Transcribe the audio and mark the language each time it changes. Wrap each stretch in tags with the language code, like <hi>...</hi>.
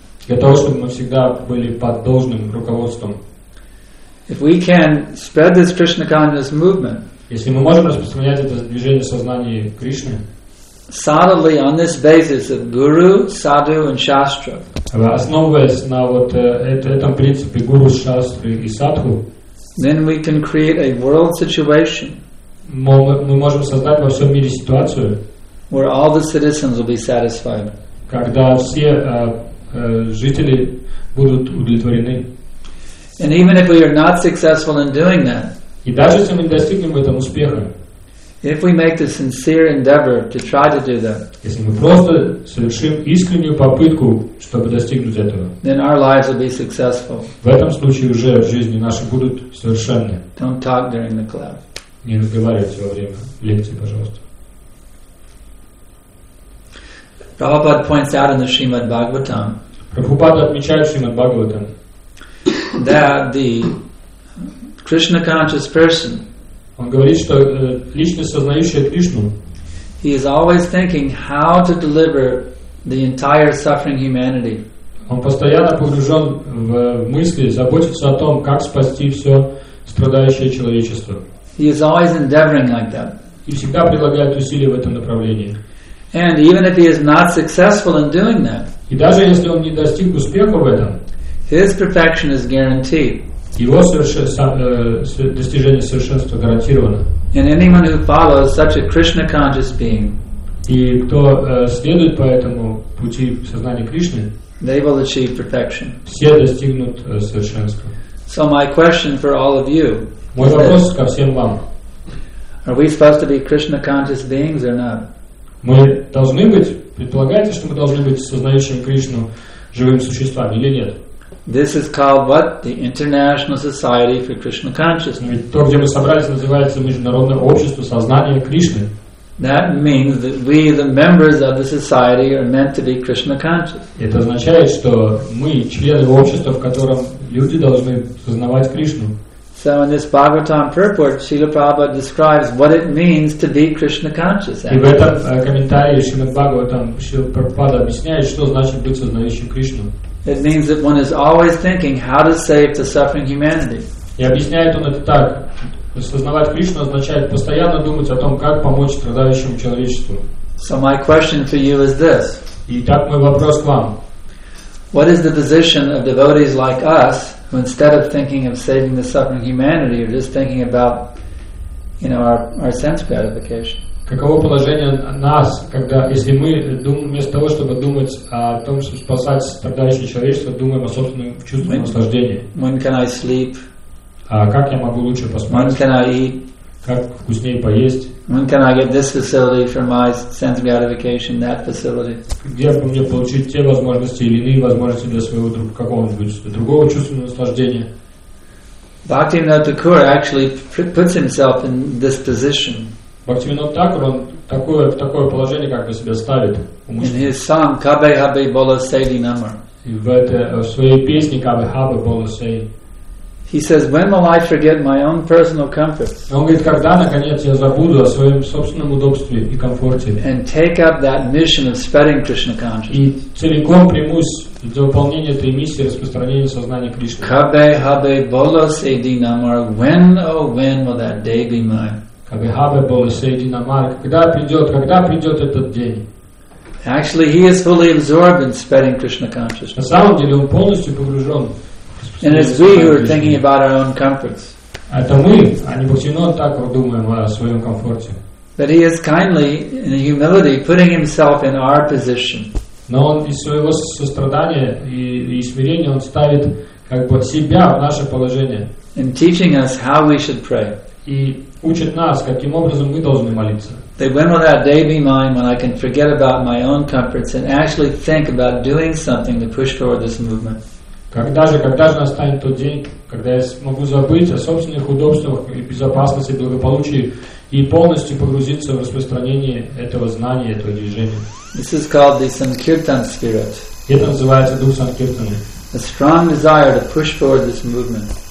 <ru>Для того, чтобы мы всегда были под должным руководством.</ru> <en>If we can spread this Krishna consciousness movement,</en> <ru>если мы можем распространять это движение сознания Кришны,</ru> <en>solidly on this basis of guru, sadhu, and shastra,</en> <ru>основываясь на вот этом принципе гуру, шастры и садху,</ru> <en>then we can create a world situation.</en> <ru>Мы можем создать во всем мире ситуацию,</ru> <en>where all the citizens will be satisfied.</en> <ru>Когда все жители будут удовлетворены.</ru> <en>And even if we are not successful in doing that,</en> <ru>и даже если мы не достигнем в этом успеха,</ru> <en>if we make the sincere endeavor to try to do that,</en> <ru>если мы просто совершим искреннюю попытку, чтобы достигнуть этого,</ru> <en>then our lives will be successful.</en> <ru>В этом случае уже в жизни наши будут совершенны.</ru> <en>Don't talk during the class.</en> <ru>Не разговаривайте во время лекции, пожалуйста.</ru> <en>Prabhupada points out in the Srimad Bhagavatam.</en> <ru>Prabhupada отмечает в Srimad Bhagavatam</ru> <en>that the Krishna conscious person.</en> <ru>Он говорит, что личность, сознающая Кришну,</ru> <en>he is always thinking how to deliver the entire suffering humanity.</en> <ru>Он постоянно погружен в мысли, заботится о том, как спасти все страдающее человечество.</ru> <en>He is always endeavoring like that.</en> <ru>И всегда прилагает усилия в этом направлении.</ru> <en>And even if he is not successful in doing that,</en> <ru>и даже если он не достиг успеха в этом,</ru> <en>his perfection is guaranteed.</en> <ru>Его достижение совершенства гарантировано.</ru> <en>And anyone who follows such a Krishna conscious being,</en> <ru>и кто следует по этому пути сознания Кришны,</ru> <en>they will achieve perfection.</en> <ru>Все достигнут совершенства.</ru> <en>So my question for all of you,</en> <ru>мой вопрос ко всем вам:</ru> <en>are we supposed to be Krishna conscious beings or not?</en> <ru>Мы должны быть, предполагаете, что мы должны быть сознающим Кришну живым существами или нет?</ru> <en>This is called what? The International Society for Krishna Consciousness.</en> <ru>Ведь то, где мы собрались, называется Международное общество сознания Кришны.</ru> <en>That means that we, the members of the society, are meant to be Krishna conscious.</en> <ru>Это означает, что мы члены общества, в котором люди должны сознавать Кришну.</ru> <en>So in this Bhagavatam purport, Srila Prabhupada describes what it means to be Krishna conscious.</en> <ru>И в этом комментарии Шримад Бхагаватам Шрила Прабхупада объясняет, что значит быть сознающим Кришну.</ru> <en>It means that one is always thinking how to save the suffering humanity.</en> <ru>И объясняет он это так: сознавать Кришну означает постоянно думать о том, как помочь страдающему человечеству.</ru> <en>So my question for you is this.</en> <ru>Итак, мой вопрос к вам.</ru> <en>What is the position of devotees like us? Instead of thinking of saving the suffering humanity, you're just thinking about, you know, our sense gratification.</en> <ru>Каково положение нас, когда если мы вместо того, чтобы думать о том, чтобы спасать страдающее человечество, думаем о собственном чувстве наслаждения?</ru> <en>When can I sleep?</en> <ru>А как я могу лучше поспать?</ru> <en>When can I eat?</en> <ru>Как вкуснее поесть?</ru> <en>When can I get this facility for my sense gratification? That facility.</en> <ru>Где бы мне получить те возможности или иные возможности для своего какого-нибудь другого чувственного наслаждения?</ru> <en>Bhaktivinoda Thakura actually puts himself in this position.</en> <ru>Bhaktivinoda Thakura, он в такое положение как бы себя ставит.</ru> <en>In his song "Kabe Habe Bolo Sedi Namar".</en> <ru>В своей песне "Kabe Habe Bolo Sedi".</ru> <en>He says, "When will I forget my own personal comforts?"</en> <ru>Он говорит, когда наконец я забуду о своем собственном удобстве и комфорте.</ru> <en>And take up that mission of spreading Krishna consciousness.</en> <ru>И целиком примусь за выполнение этой миссии распространения сознания Кришны.</ru> <bn>Kabe habe bolo se dinamar,</bn> <en>when oh when will that day be mine?</en> <bn>Kabe habe bolo se dinamar,</bn> <ru>когда придет этот день?</ru> <en>Actually, he is fully absorbed in spreading Krishna consciousness.</en> <ru>На самом деле он полностью погружен.</ru> <en>And it's we who are thinking about our own comforts.</en> <ru>Это мы, а не Бхактивинода Тхакур, думаем о своем комфорте.</ru> <en>But he is kindly, in humility, putting himself in our position.</en> <ru>Но он из своего сострадания и смирения он ставит как бы себя в наше положение.</ru> <en>And teaching us how we should pray.</en> <ru>И учит нас, каким образом мы должны молиться.</ru> <en>That when will that day be mine when I can forget about my own comforts and actually think about doing something to push forward this movement?</en> <ru>Когда же настанет тот день, когда я смогу забыть о собственных удобствах и безопасности, благополучии и полностью погрузиться в распространение этого знания, этого движения?</ru> <en>This is called the Sankirtan spirit.</en> <ru>Это называется дух Санкиртаны.</ru> <en>A strong desire to push forward this movement.</en>